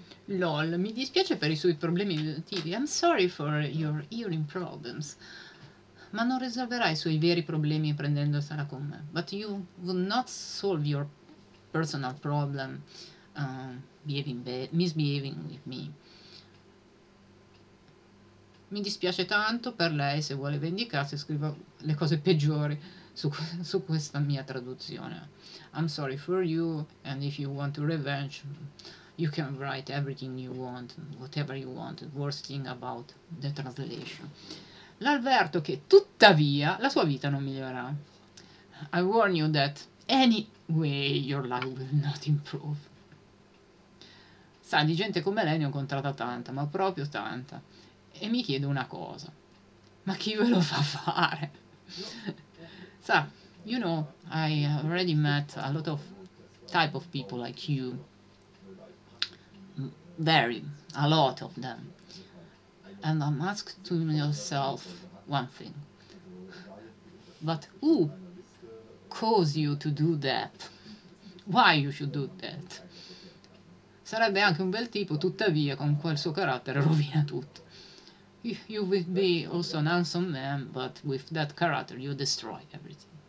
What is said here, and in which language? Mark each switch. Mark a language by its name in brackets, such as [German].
[Italian] Lol, mi dispiace per i suoi problemi uditivi. [English] I'm sorry for your hearing problems. [Italian] Ma non risolverai i suoi veri problemi prendendosela con me. [English] But you will not solve your personal problem misbehaving with me. [Italian] Mi dispiace tanto per lei, se vuole vendicarsi scrivo le cose peggiori su questa mia traduzione. [English] I'm sorry for you, and if you want to revenge, you can write everything you want, whatever you want, worst thing about the translation. [Italian] L'avverto che, tuttavia, la sua vita non migliorerà. [English] I warn you that anyway your life will not improve. [Italian] Sa, di gente come lei ne ho incontrata tanta, ma proprio tanta. E mi chiedo una cosa. Ma chi ve lo fa fare? [English] Sa, you know, I already met a lot of type of people like you. Very, a lot of them. And I'm asked to myself one thing. But who caused you to do that? Why you should do that? [Italian] Sarebbe anche un bel tipo, tuttavia, con quel suo carattere rovina tutto. [English] You will be also an handsome man, but with that character you destroy everything.